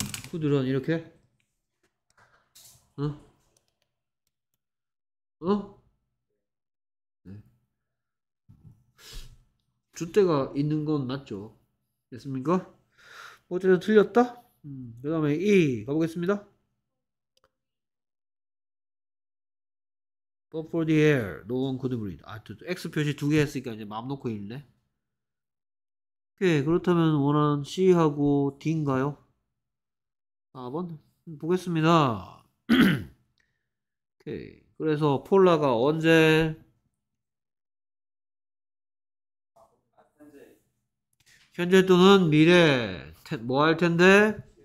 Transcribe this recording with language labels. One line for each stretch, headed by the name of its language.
Korean: 푸드런 이렇게? 응? 어? 어? 주대가 있는 건 맞죠? 됐습니까? 어쨌든 틀렸다. 그다음에 E 가보겠습니다.
English: But for the air, no one could breathe.
Korean: 아, X 표시 두개 했으니까 이제 마음 놓고 읽네. 오케이, 그렇다면 원하는 C하고 D인가요? 4번 보겠습니다. 오케이, 그래서 폴라가 언제 현재 또는 미래에 뭐할 텐데?